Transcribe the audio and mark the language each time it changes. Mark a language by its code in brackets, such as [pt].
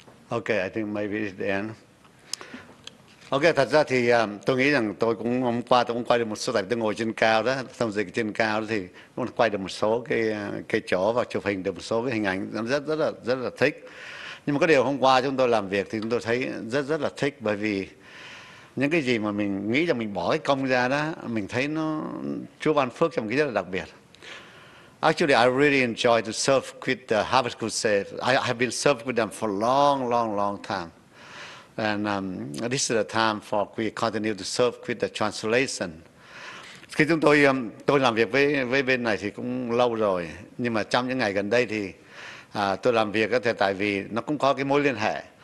[vi] Ok, I think maybe it's the end. Ok, thật ra thì tôi nghĩ rằng tôi cũng hôm qua tôi cũng quay được một số, tại vì tôi ngồi trên cao đó, xong dịch trên cao đó thì cũng quay được một số cái chỗ và chụp hình được một số cái hình ảnh rất là thích. Nhưng mà có điều hôm qua chúng tôi làm việc thì chúng tôi thấy rất là thích, bởi vì những cái gì mà mình nghĩ là mình bỏ cái công ra đó, mình thấy nó Chúa ban phước cho mình cái rất là đặc biệt. [en] Actually, I really enjoy to serve with the Harvest Crusade. I have been serving with them for long time. And this is the time for we continue to serve with the translation. [vi] Khi chúng tôi làm việc với bên này thì cũng lâu rồi. Nhưng mà trong những ngày gần đây thì tôi làm việc thì tại vì nó cũng có cái mối liên hệ.